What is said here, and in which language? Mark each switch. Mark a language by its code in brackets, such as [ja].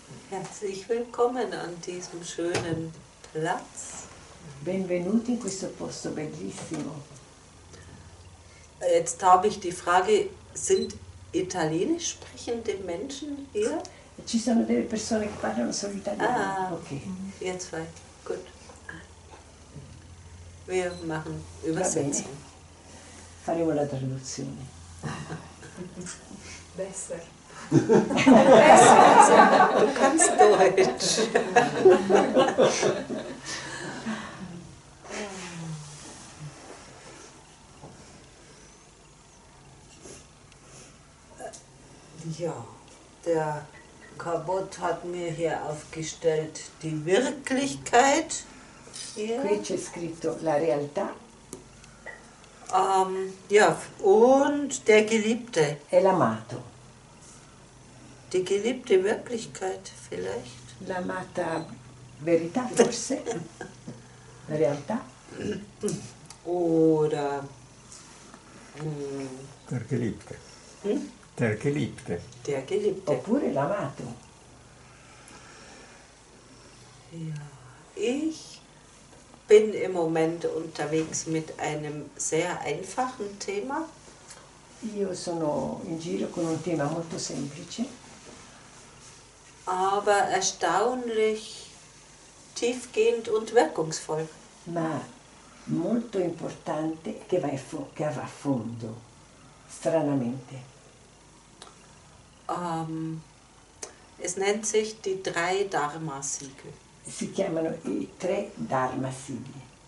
[de] Herzlich willkommen an diesem schönen Platz. [it] Benvenuti in questo posto bellissimo. [de] Jetzt habe ich die Frage, sind italienisch sprechende Menschen hier? [it] Ci sono delle persone che parlano solo italiano. [de] Ah, okay. Ihr zwei, gut. Wir machen Übersetzung. [it] Faremo la traduzione. [de] Besser. Du kannst Deutsch. Ja, der Cabot hat mir hier aufgestellt die Wirklichkeit. [it] Qui c'è scritto la realtà. [de] Ja, und der Geliebte. [it] E l'amato. [de] Die geliebte Wirklichkeit vielleicht. [it] L'amata verità, forse. La realtà. [de] Oder. Der Geliebte. Der Geliebte. Der Geliebte. [it] Oppure l'amato. [de] Ja. Ich bin im Moment unterwegs mit einem sehr einfachen Thema. [it] Io sono in giro con un tema molto semplice. [de] Aber erstaunlich tiefgehend und wirkungsvoll. [it] Ma molto importante che va a fondo, stranamente. [de] Es nennt sich die drei Dharma-Siegel. [it] Si chiamano i tre Dharma-Siegel.